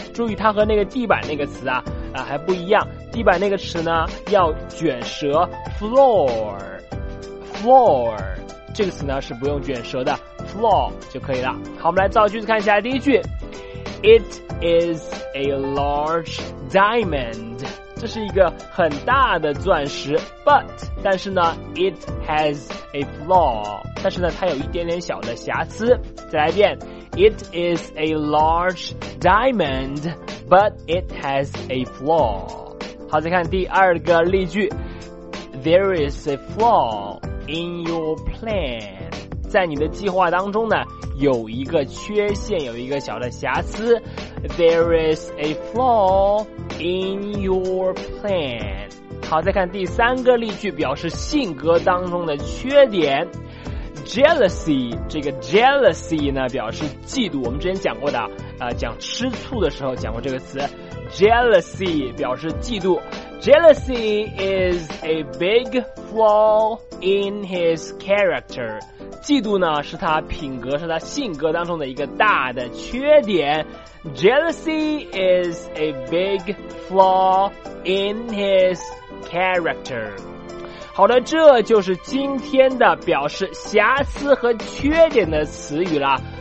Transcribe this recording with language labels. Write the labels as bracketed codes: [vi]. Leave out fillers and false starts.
[zh] 注意它和那个地板那个词还不一样，地板那个词呢要卷舌 floor 这个词呢是不用卷舌的flaw 就可以了。好，我们来造句子看一下。第一句 ， [en] It is a large diamond， [zh] 这是一个很大的钻石。 [en] But [zh] 但是呢 ， [en] It has a flaw， [zh] 但是呢，它有一点点小的瑕疵。再来一遍 [en] ，It is a large diamond， but it has a flaw。 [zh] 好，再看第二个例句 [en] ，There is a flaw in your plan。 [zh] 在你的计划当中呢有一个缺陷，有一个小的瑕疵。 [en] There is a flaw in your plan。 [zh] 好，再看第三个例句，表示性格当中的缺点。 Jealousy， 这个 jealousy 呢表示嫉妒，我们之前讲过的讲吃醋的时候讲过这个词。 Jealousy 表示嫉妒。 [en] Jealousy is a big flaw in his character。 [zh] 嫉妒呢是他品格，是他性格当中的一个大的缺点。 [en] Jealousy is a big flaw in his character。 [zh] 好的，这就是今天的表示瑕疵和缺点的词语了。